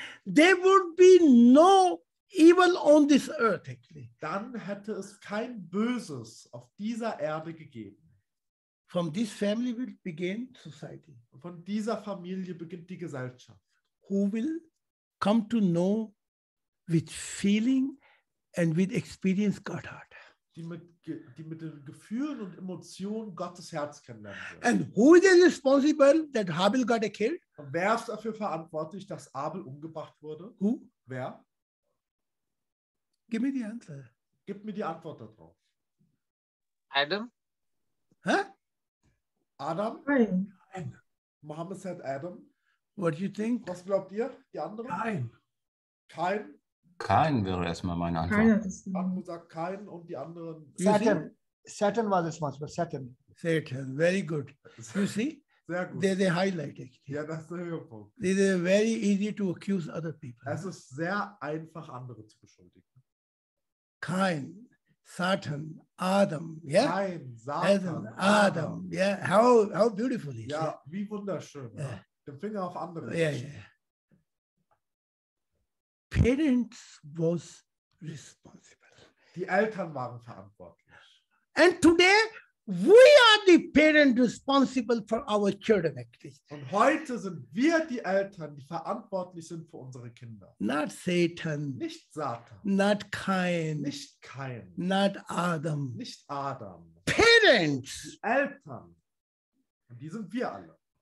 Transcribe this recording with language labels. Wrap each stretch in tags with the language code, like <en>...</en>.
<en>there would be no evil on this earth.</en> <de>Dann hätte es kein Böses auf dieser Erde gegeben.</de> <en>From this family will begin society. Von dieser Familie beginnt die Gesellschaft. Who will come to know with feeling? And with experience God heart.</en> <de>Die mit den Gefühlen und Emotionen Gottes Herz kennenlernen.</de> <en>And who is responsible that Habil got killed?</en> <de>Wer ist dafür verantwortlich, dass Abel umgebracht wurde?</de> <en>Who?</en> <de>Wer?</de> <en>Give me the answer.</en> <de>Gib mir die Antwort darauf.</de> <en>Adam? Huh? Adam?</en> <de>Nein.</de> <en>Mohammed said Adam. What do you think?</en> <de>Was glaubt ihr, die anderen? Nein. Kein? Kein wäre erstmal meine Antwort. Man sagt Kein und die anderen.</de> <en>Seth. Saturn was responsible. Saturn. Saturn. Very good. You see?</en> <de>Sehr gut.</de> <en>They highlighted.</en> <de>Ja, das ist der Höhepunkt.</de> <en>This is very easy to accuse other people.</en> <de>Es ist sehr einfach, andere zu beschuldigen.</de> <en>Kein. Satan, Adam, yeah?</en> <de>Nein, Satan,</de> <en>Adam, yeah? How beautiful is</en> <de>ja, yeah? Wie wunderschön. Yeah. Ja. Den Finger auf andere.</de> <en>Yeah, yeah. Parents was responsible.</en> <de>Die Eltern waren verantwortlich.</de> <en>And today, we are the parents responsible for our children, actually.</en> <de>Und heute sind wir die Eltern, die verantwortlich sind für unsere Kinder.</de> <en>Not Satan.</en> <de>Nicht Satan.</de> <en>Not Cain.</en> <de>Nicht Cain.</de> <en>Not Adam.</en> <de>Nicht Adam.</de> <en>Parents.</en> <de>Die Eltern. Und die sind wir alle.</de>